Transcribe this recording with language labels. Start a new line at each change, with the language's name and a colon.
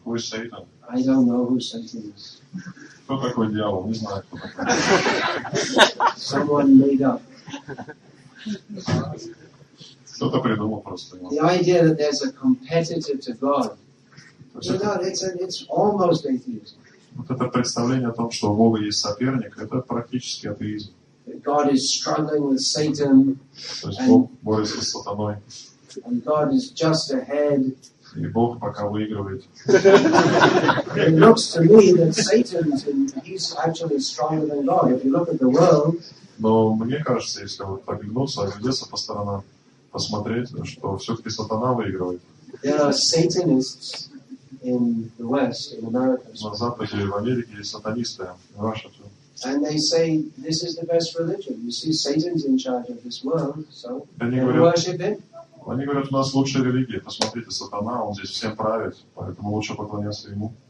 English: Who is Satan? I don't know who Satan is.
Russian: Кто такой дьявол? Не знаю, кто такой.
English: Someone made up.
Russian: Кто-то придумал просто.
English: The idea that there's a competitor to God. You know, it's almost atheism.
Russian: Вот это представление о том, что у Бога есть соперник, это практически атеизм.
English: God is struggling with Satan.
Russian: То есть Бог борется с сатаной.
English: And God is just ahead.
Russian: И Бог пока выигрывает.
English: It looks to me that he's actually stronger than God. If you look at the world.
Russian: Но мне кажется, если вот поглянуться, оглядеться по сторонам, посмотреть, что все-таки сатана выигрывает.
English: There are Satanists. In the West, in America.
Russian: На Западе, в Америке, есть сатанисты.
English: Russia, too. And they say this is the best religion. You see, Satan's in charge of this world, so worship him.
Russian: Они говорят, у нас лучшая религия. Посмотрите, сатана, он здесь всем правит, поэтому лучше поклоняться ему.